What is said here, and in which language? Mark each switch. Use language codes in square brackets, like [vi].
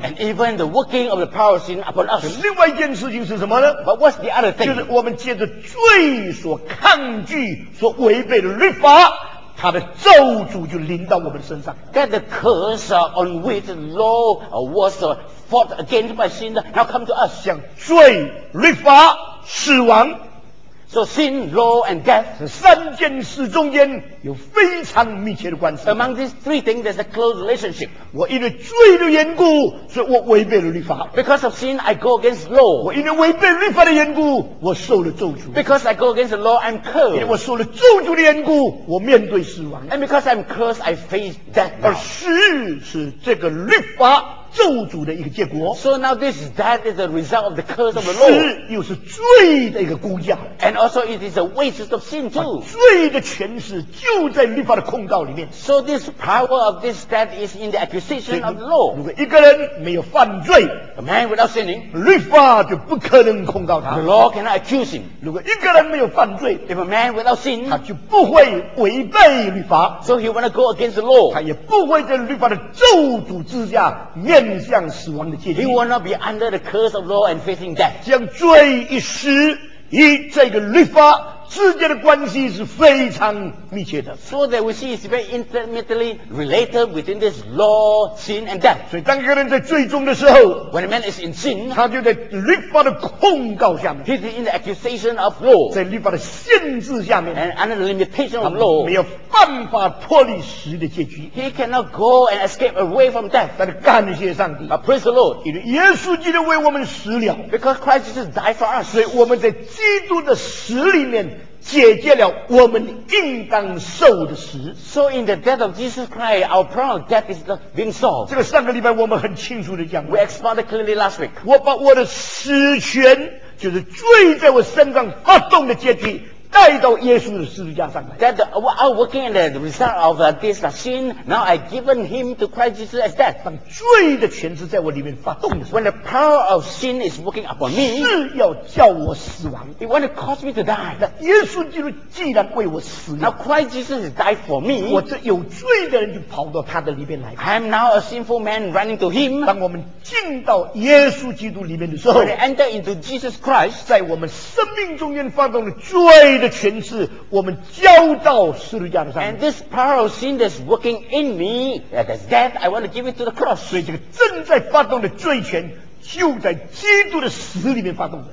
[en] and even the working of the power of sin upon us. [zh] 另外一件事情是什么呢？ [en] But what's the other thing? [zh] 就是我们借着罪所抗拒、所违背的律法，他的咒诅就临到我们身上。 [en] That the curse on which the law was fought against by sin now come to us. [zh] 像罪、律法、死亡。 [en] So sin, law and death. [zh] 三件事中间有非常密切的关系。 [en] Among these three things, there's a close relationship. [zh] 我因为罪的缘故，所以我违背了律法。 [en] Because of sin, I go against law. [zh] 我因为违背律法的缘故，我受了咒诅。 [en] Because I go against the law, I'm cursed. [zh] 因为我受了咒诅的缘故，我面对死亡。 [en] And because I'm cursed, I face death now. [zh] 而死是这个律法咒诅的一个结果。 [en] So now this death is the result of the curse of the law. [zh] 死又是罪的一个估价。 [en] And also it is a wages of sin too. [zh] 罪的权势就在律法的控告里面。 [en] So this power of this death is in the accusation of the law. [zh] 如果一个人没有犯罪， [en] a man without sinning, [zh] 律法就不可能控告他。 [en] The law cannot accuse him. [zh] 如果一个人没有犯罪， [en] if a man without sin, [zh] 他就不会违背律法。 [en] So he wanna go against the law. [zh] 他也不会在律法的咒诅之下面。向死亡的界定。 [en] He will not be under the curse of law and facing death. [zh] 将罪一死与这个律法之间的关系是非常密切的。 [en] So that we see is very intimately related within this law, sin and death. [zh] 所以当一个人在罪中的时候， [en] when a man is in sin, [zh] 他就在律法的控告下面。 [en] He's in the accusation of law. [zh] 在律法的限制下面。 [en] And under the limitation of law. [zh] 没有办法脱离死的结局。 [en] He cannot go and escape away from death. [zh] 但是感谢上帝。 [en] But praise the Lord. [zh] 因为耶稣基督为我们死了。 [en] Because Christ Jesus died for us. [zh] 所以我们在基督的死里面解决了我们应当受的死。 [en] So in the death of Jesus Christ, our problem of death is being solved. [zh] 这个上个礼拜我们很清楚的讲。 [en] We explained clearly last week. [zh] 我把我的死权，就是罪在我身上发动的结局，带到耶稣的十字架上来。 [en] That the, our working and the result of this sin, now I given him to Christ Jesus as death. [zh] 当罪的权势在我里面发动的时候， [en] when the power of sin is working upon me, [zh] 是要叫我死亡。 [en] It want to cause me to die. [zh] 那耶稣基督既然为我死了， [en] now Christ Jesus died for me, [zh] 我这有罪的人就跑到他的里面来。 [en] I'm now a sinful man running to him. [zh] 当我们进到耶稣基督里面的时候， [en] when I enter into Jesus Christ, [zh] 在我们生命中间发动了罪的权势，我们交到十字架的上面。 [en] And this power of sin that's working in me, that is death, I want to give it to the cross. [zh] 所以这个正在发动的罪权就在基督的死里面发动的。